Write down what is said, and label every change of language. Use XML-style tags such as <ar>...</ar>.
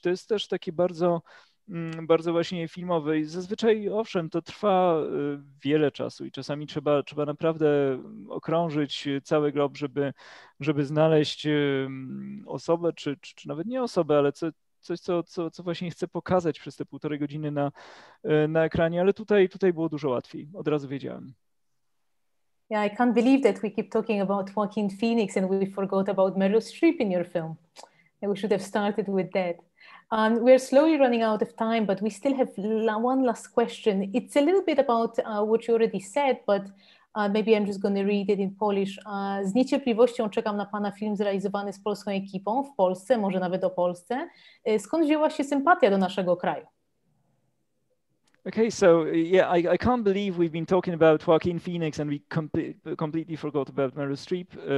<pl>To jest też takie bardzo właśnie filmowe i zazwyczaj, owszem, to trwa wiele czasu i czasami trzeba naprawdę okrążyć cały glob, żeby znaleźć osobę, czy nawet nie osobę, ale coś, co właśnie chcę pokazać przez te półtorej godziny na ekranie, ale tutaj było dużo łatwiej, od razu wiedziałem.</pl> <en>Yeah, I can't believe that we keep talking about Joaquin Phoenix and we forgot about Meryl Streep in your film. We should have started with that. We're slowly running out of time, but we still have one last question. It's a little bit about what you already said, but maybe I'm just going to read it in Polish.</en> <pl>Z niecierpliwością czekam na pana film zrealizowany z polską ekipą w Polsce, może nawet o Polsce. Skąd wzięła się sympatia do naszego kraju?</pl> <en>Okay, so yeah, I can't believe we've been talking about Joaquin Phoenix and we completely forgot about Meryl Streep.</en>